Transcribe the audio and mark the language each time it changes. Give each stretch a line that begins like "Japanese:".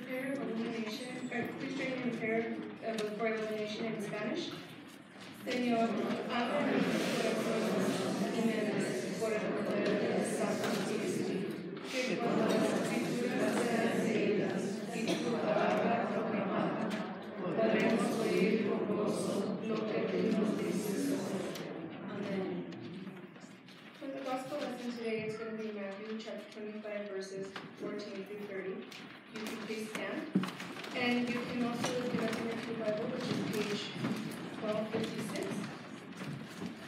English: Mayor of the Fort Hill Nation in Spanish.
Spanish: Señor, abre nuestros corazones y mentes por el poder de la Santa Iglesia. Que cuando las escrituras sean leídas y tu palabra proclamada, podremos oír con gozo lo que tú nos dices hoy. Amén.
English: For the gospel lesson today, it's going to be Matthew chapter 25, verses 14 through 30. You can please stand. And you can also look at the Matthew Bible, which is page 1256.